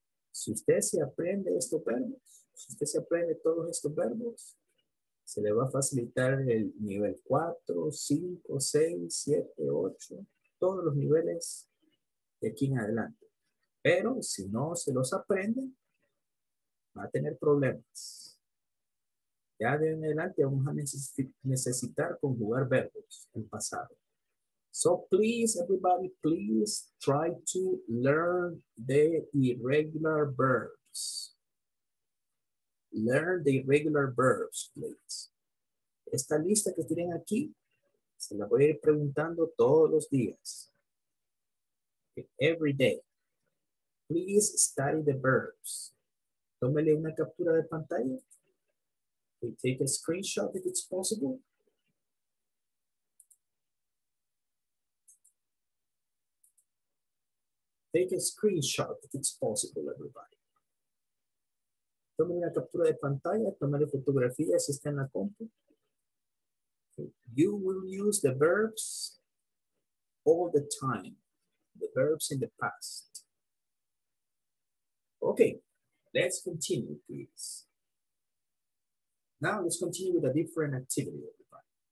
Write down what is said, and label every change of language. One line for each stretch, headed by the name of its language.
Spanish: Si usted se aprende estos verbos, si usted se aprende todos estos verbos, se le va a facilitar el nivel 4, 5, 6, 7, 8, todos los niveles de aquí en adelante. Pero si no se los aprende, va a tener problemas. Ya de en adelante vamos a necesitar conjugar verbos en pasado.
English: So please, everybody, please try to learn the irregular verbs. Learn the irregular verbs, please.
Spanish: Esta lista que tienen aquí, se la voy a ir preguntando todos los días.
English: Every day. Please study the verbs.
Spanish: Tómele una captura de pantalla.
English: We take a screenshot if it's possible. Take a screenshot if it's possible, everybody.
Spanish: Tome una captura de pantalla, tome la fotografía si está en la compu.
English: You will use the verbs all the time, the verbs in the past. Okay, let's continue, please. Now let's continue with a different activity, everybody.